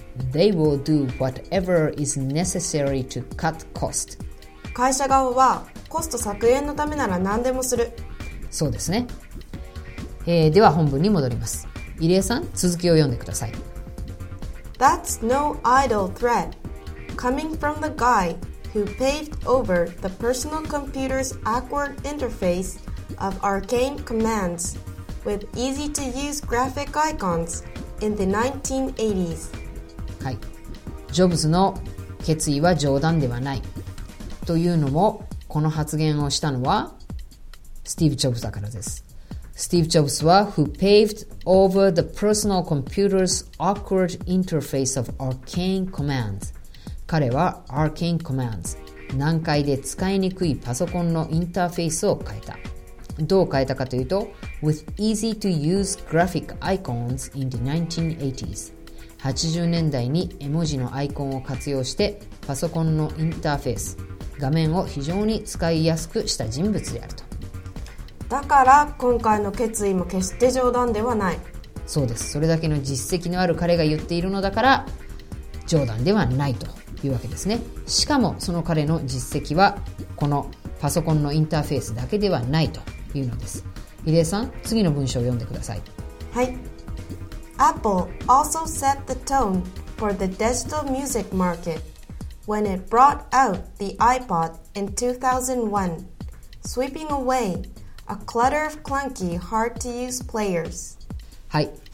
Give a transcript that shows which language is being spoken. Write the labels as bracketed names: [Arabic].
[English] They will do whatever is necessary to cut cost。 [Japanese] 会社側はコスト削減のためなら何でもする。そうですね、では本文に戻ります。入江さん、続きを読んでください。 [English] That's no idle threat coming from the guy who paved over the personal computer's awkward interface of arcane commands with easy to use graphic icons in the 1980s。 [Japanese] はい、ジョブズの決意は冗談ではないというのも、この発言をしたのはスティーブ・ジョブズだからです。 [English] スティーブ・ジョブズは Who paved over the personal computer's awkward interface of arcane commands。 [Japanese] 彼は arcane commands、 難解で使いにくいパソコンのインターフェースを変えた。どう変えたかというと、 [English] With easy to use graphic icons in the 1980s。 [Japanese] 80年代に絵文字のアイコンを活用して、パソコンのインターフェース、画面を非常に使いやすくした人物であると。だから今回の決意も決して冗談ではない。そうです、それだけの実績のある彼が言っているのだから冗談ではないというわけですね。しかもその彼の実績はこのパソコンのインターフェースだけではないというのです。入江さん、次の文章を読んでください。はい。 [English] Apple also set the tone for the digital music market when it brought out the iPod in 2001, sweeping awayA clutter of clunky, hard-to-use players. [Japanese] はい。